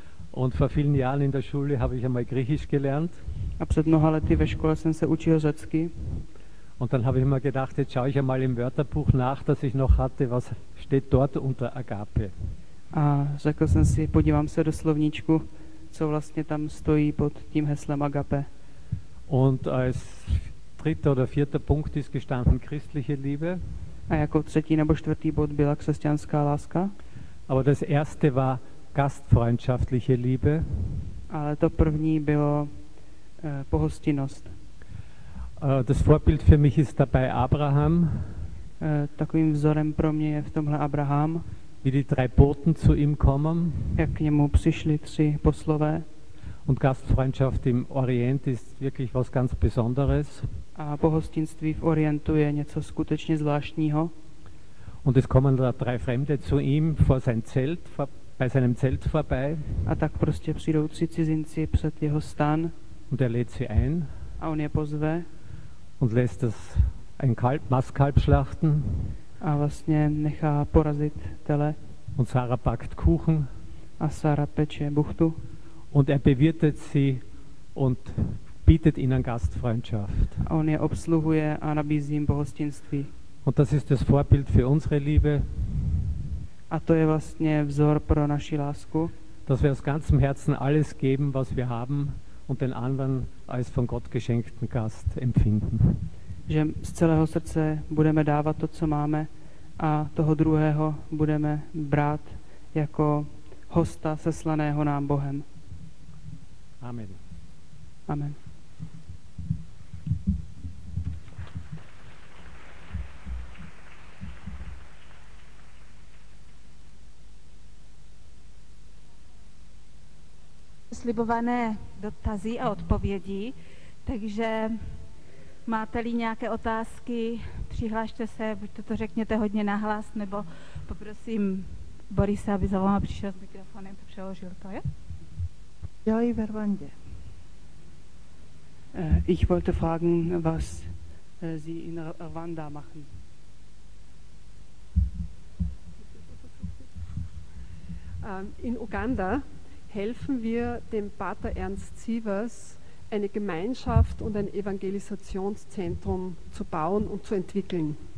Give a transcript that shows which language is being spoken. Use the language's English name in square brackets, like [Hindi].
[German] Und vor vielen Jahren in der Schule habe ich einmal Griechisch gelernt. [Czech] A před mnoha lety ve škole jsem se učil řecky. [German] Und dann habe ich mir gedacht, jetzt schaue ich einmal im Wörterbuch nach, das ich noch hatte, was steht dort unter Agape. [Czech] A řekl jsem si, podívám se do slovníčku, co vlastně tam stojí pod tím heslem Agape. [German] Und als dritter oder vierter Punkt ist gestanden christliche Liebe. [Czech] A jako třetí nebo čtvrtý bod byla křesťanská láska. [German] Aber das erste war gastfreundschaftliche Liebe. [Czech] Ale to první bylo pohostinnost. [German] Das Vorbild für mich ist dabei Abraham. [Czech] Takovým vzorem pro mě je v tomhle Abraham. [German] Wie die drei Boten zu ihm kommen. [Czech] Jak k němu přišli tři poslové. [German] Und Gastfreundschaft im Orient ist wirklich was ganz Besonderes. [Czech] A pohostinství v Orientu je něco skutečně zvláštního. [German] Und es kommen da drei Fremde zu ihm vor sein Zelt, bei seinem Zelt vorbei. [Czech] A tak prostě přijdou tři cizinci před jeho stan. [German] Und er lädt sie ein. [Czech] A on je pozve. [German] Und lässt das ein Kalb, Mastkalb schlachten. [Czech] A vlastně nechá porazit tele. [German] Und Sarah backt Kuchen. [Czech] A Sarah peče buchtu. [German] Und er bewirtet sie und bietet ihnen Gastfreundschaft. [Czech] A on je obsluhuje a nabízí jim pohostinství. [German] Und das ist das Vorbild für unsere Liebe. [Czech] A to je vlastně vzor pro naši lásku. [German] Dass wir aus ganzem Herzen alles geben, was wir haben und den anderen als von Gott geschenkten Gast empfinden. [Czech] Že z celého srdce budeme dávat to, co máme, a toho druhého budeme brát jako hosta seslaného nám Bohem. [German] Amen. [Czech] Amen. Slibované dotazy a odpovědi, takže máte-li nějaké otázky, přihlašte se, buď to řekněte hodně nahlas, nebo poprosím Borisa, aby za váma přišel s mikrofonem, to přeložil to, jo? [German] Ja, ich wäre bei dir. Ich wollte fragen, was Sie in Rwanda machen. In Uganda helfen wir dem Pater Ernst Sievers, eine Gemeinschaft und ein Evangelisationszentrum zu bauen und zu entwickeln.